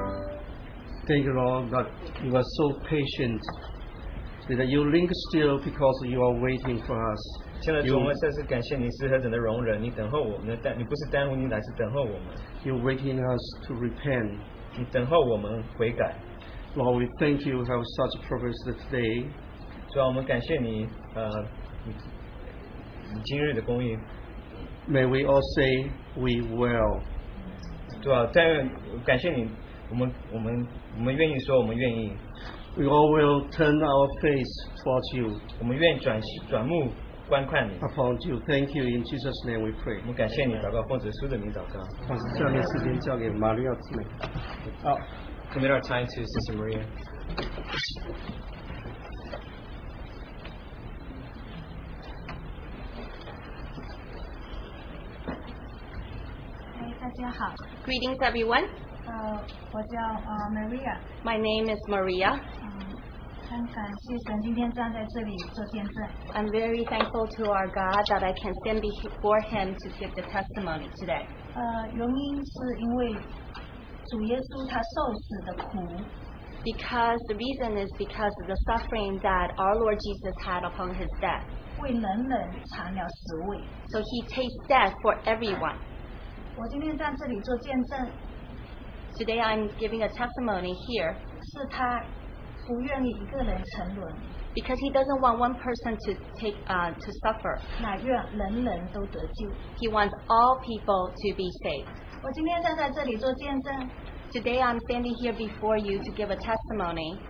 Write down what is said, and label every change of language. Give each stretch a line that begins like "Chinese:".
English: So patient that you linger still because you are waiting for us.
Chinese: 现在主，我们再次感谢你是何等的容忍，你等候我们，但你不是耽误，你乃是等候我们。
English: You're waiting us to repent.
Chinese: 你等候我们悔改。
English: Lord, we thank you have such purpose today.
Chinese: 主啊，我们感谢你，今日的供应,
English: may we all say we will.
Chinese: 主啊,但感谢你,我们愿意说我们愿意。
English: We all will turn our face towards you.
Chinese: 我们愿转目观看你。
English: Upon you, thank you. In Jesus' name, we pray.
Chinese: 我们感谢你，祷告奉主耶稣的名祷告。把下面时间交给玛利亚姊妹。
English: 好， commit our time to Sister Maria. Greetings, everyone.
Chinese: 我叫Maria.
English: My name is Maria.
Chinese: 感谢神今天站在这里做见证。
English: I'm very thankful to our God that I can stand before Him to give the testimony today.
Chinese: 原因是因为主耶稣他受死的苦。
English: Because the reason is because of the suffering that our Lord Jesus had upon His death.
Chinese: 为人们尝了死味。
English: So He tasted death for everyone.
Chinese: 我今天在这里做见证,
English: today I'm giving a testimony here.
Chinese: 是他不愿意一个人沉沦,
English: because he doesn't want one person to take to suffer.
Chinese: 乃愿人人都得救,
English: he wants all people to be saved.
Chinese: 我今天在这里做见证,
English: today I'm standing here before you to give a testimony.